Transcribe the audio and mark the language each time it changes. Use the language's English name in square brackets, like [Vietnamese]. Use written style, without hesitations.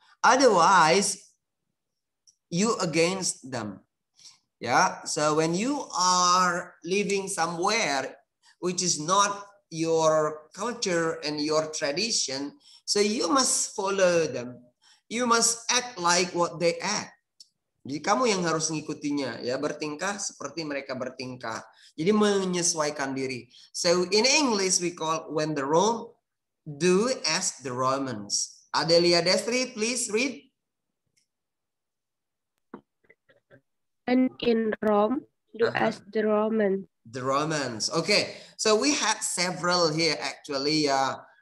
[English] Otherwise, you against them. Yeah, so when you are living somewhere which is not your culture and your tradition, so you must follow them. You must act like what they act. [Indonesian] Jadi kamu yang harus ngikutinya, ya, bertingkah seperti mereka bertingkah. Jadi menyesuaikan diri. [English] So in English we call when the Rome do as the Romans. Adelia Destri, please read. And in Rome, do as the Romans. The Romans. Okay. So we have several here, actually. Yeah.